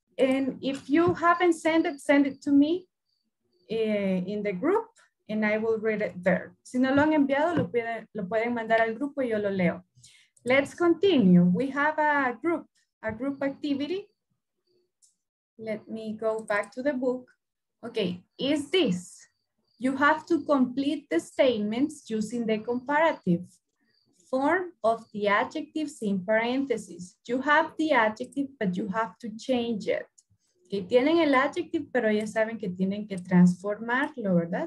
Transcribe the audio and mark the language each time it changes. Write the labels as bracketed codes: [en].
[en] And if you haven't sent it, send it to me in the group and I will read it there. [es] Si no lo han enviado, lo pueden mandar al grupo y yo lo leo. [en] Let's continue. We have a group activity. Let me go back to the book. Okay, is this? You have to complete the statements using the comparative form of the adjectives in parentheses. You have the adjective, but you have to change it. [es] Okay, tienen el adjective, pero ya saben que tienen que transformarlo, ¿verdad?